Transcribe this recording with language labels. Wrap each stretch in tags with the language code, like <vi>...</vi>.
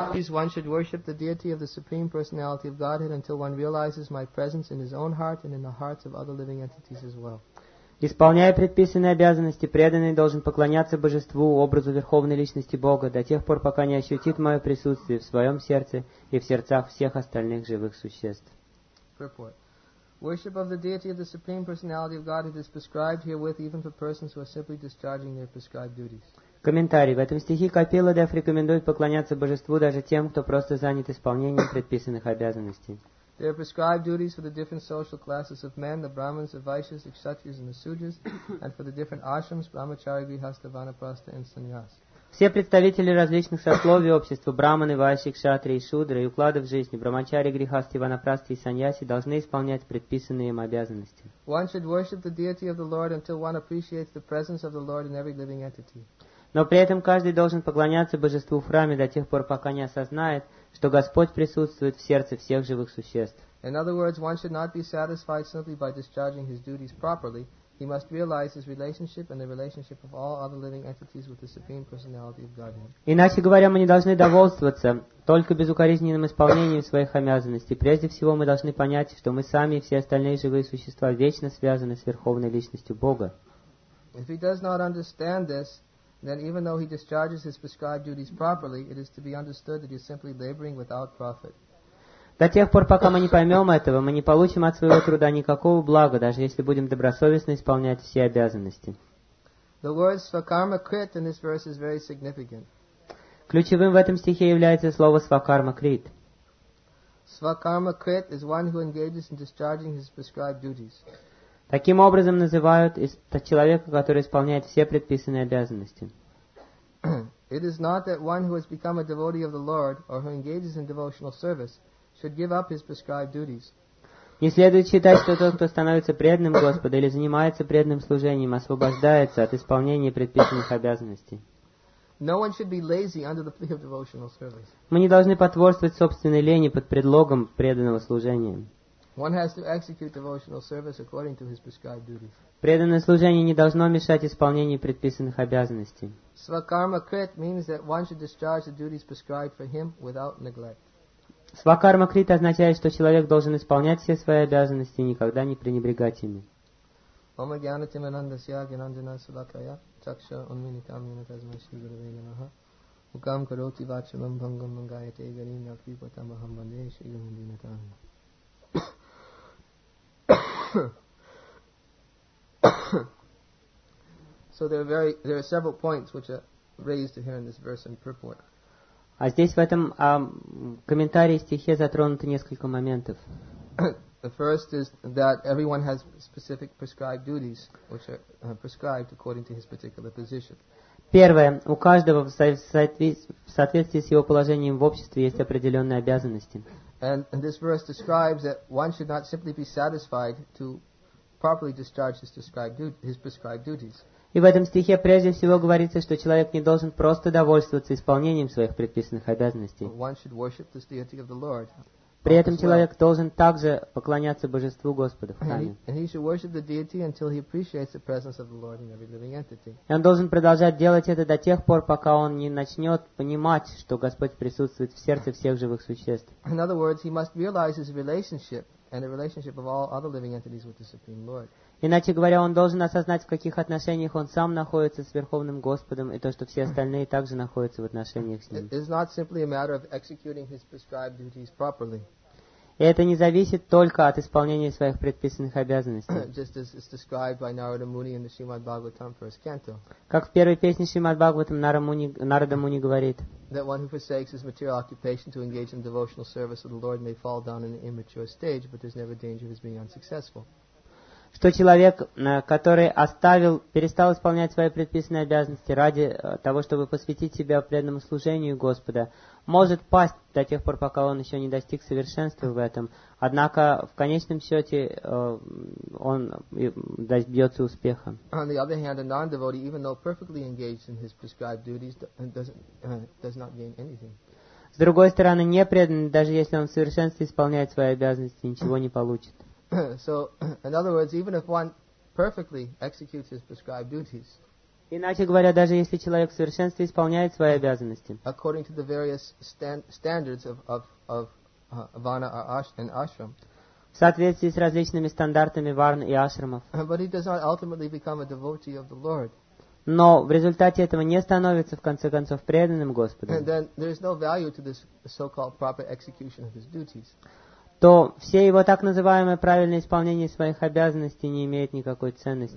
<en>One should worship the deity of the Supreme Personality of Godhead until one realizes my presence in his own heart and in the hearts of other living entities as well.</en> <ru>Исполняя предписанные обязанности, преданный должен поклоняться Божеству, образу Верховной Личности Бога, до тех пор, пока не ощутит мое присутствие в своем сердце и в сердцах всех остальных живых существ.</ru> <en>Purport. Worship of the deity of the Supreme Personality of Godhead is prescribed herewith even for persons who are simply discharging their prescribed duties.</en> <ru>Комментарий. В этом стихе Капиладев рекомендует поклоняться Божеству даже тем, кто просто занят исполнением предписанных обязанностей.</ru> <en>There are prescribed duties for the different social classes of men, the Brahmins, the Vaishyas, the Kshatriyas, and the Sudras, and for the different ashrams, Brahmachari, Grihastha, Vanaprastha, and Sannyas.</en> <ru>Все представители различных сословий общества, браманы, вайши, кшатри и шудры, и укладов жизни, брамачари, грихасти, ванапрасти и саньяси, должны исполнять предписанные им обязанности.</ru> <en>One should worship the deity of the Lord until one appreciates the presence of the Lord in every living entity.</en> <ru>Но при этом каждый должен поклоняться божеству в храме до тех пор, пока не осознает, что Господь присутствует в сердце всех живых существ.</ru> <en>In other words, one should not be satisfied simply by discharging his duties properly. He must realize his relationship and the relationship of all other living entities with the Supreme Personality of Godhead.</en> <ru>Иначе говоря, мы не должны довольствоваться только безукоризненным исполнением своих обязанностей. Прежде всего, мы должны понять, что мы сами и все остальные живые существа вечно связаны с Верховной Личностью Бога.</ru> <en>If he does not understand this, then even though he discharges his prescribed duties properly, it is to be understood that he is simply laboring without profit.</en> <ru>До тех пор, пока мы не поймем этого, мы не получим от своего труда никакого блага, даже если будем добросовестно исполнять все обязанности.</ru> <en>The word svakarmakrit in this verse is very significant.</en> <ru>Ключевым в этом стихе является слово svakarmakrit.</ru> <en>Svakarmakrit is one who engages in discharging his prescribed duties.</en> <ru>Таким образом называют человека, который исполняет все предписанные обязанности.</ru> <en>It is not that one who has become a devotee of the Lord or who engages in devotional service should give up his prescribed duties.</en> <ru>Не следует считать, что тот, кто становится преданным Господу или занимается преданным служением, освобождается от исполнения предписанных обязанностей.</ru> <en>No one should be lazy under the plea of devotional service.</en> <ru>Мы не должны потворствовать собственной лени под предлогом преданного служения.</ru> <en>One has to execute devotional service according to his prescribed duties.</en> <ru>Преданное служение не должно мешать исполнению предписанных обязанностей.</ru> <en>Svakarmakrit means that one should discharge the duties prescribed for him without neglect.</en> <ru>Svakarmakrit означает, что человек должен исполнять все свои обязанности и никогда не пренебрегать ими.</ru> <sa>Ом агьянатим анандасья агьянанджана свакая чакша унминитам юнатазмай шри гуравей намаха укам кароти вачалам бхангам мангайате гарим якрипатам ахам ванде шри гуравей.</sa> <en>So there are several points which are raised here in this verse in purport.</en> <ru>А здесь в этом комментарии стихе затронуто несколько моментов.</ru> <en>The first is that everyone has specific prescribed duties, which are prescribed according to his particular position.</en> <ru>Первое, у каждого в соответствии с его положением в обществе есть определенные обязанности.</ru> <en>And this verse describes that one should not simply be satisfied to properly discharge his prescribed duties.</en> <ru>И в этом стихе прежде всего говорится, что человек не должен просто довольствоваться исполнением своих предписанных обязанностей.</ru> <en>One should worship the deity of the Lord.</en> <ru>При этом человек должен также поклоняться божеству Господа в храме.</ru> <en>And he should worship the deity until he appreciates the presence of the Lord in every living entity.</en> <ru>И он должен продолжать делать это до тех пор, пока он не начнет понимать, что Господь присутствует в сердце всех живых существ.</ru> <en>In other words, he must realize his relationship and the relationship of all other living entities with the Supreme Lord.</en> <ru>Иначе говоря, он должен осознать, в каких отношениях он сам находится с Верховным Господом, и то, что все остальные также находятся в отношениях с ним.</ru> <en>It is not simply a matter of executing his prescribed duties properly.</en> <ru>И это не зависит только от исполнения своих предписанных обязанностей.</ru> <en>Just as it's described by Narada Muni in the Srimad Bhagavatam first canto.</en> <ru>Как в первой песне Шримад Бхагаватам Нарада Муни говорит.</ru> <en>That one who forsakes his material occupation to engage in devotional service of the Lord may fall down in an immature stage, but there's never danger of his being unsuccessful.</en> <ru>Что человек, который перестал исполнять свои предписанные обязанности ради того, чтобы посвятить себя преданному служению Господа, может пасть до тех пор, пока он еще не достиг совершенства в этом. Однако, в конечном счете, он добьется успеха.</ru> <en>On the other hand, a non-devotee, even though perfectly engaged in his prescribed duties, does not gain anything.</en> <ru>С другой стороны, непреданный, даже если он в совершенстве исполняет свои обязанности, ничего не получит.</ru> <en>So, in other words, even if one perfectly executes his prescribed duties,</en> <ru>иначе говоря, даже если человек в совершенстве исполняет свои обязанности,</ru> <en>according to the various standards of vana and ashram,</en> <ru>в соответствии с различными стандартами варн и ашрамов,</ru> <en>but he does not ultimately become a devotee of the Lord.</en> <ru>Но в результате этого не становится, в конце концов, преданным Господом.</ru> <en>And then there is no value to this so-called proper execution of his duties.</en> <ru>То все его так называемое правильное исполнение своих обязанностей не имеет никакой ценности.</ru>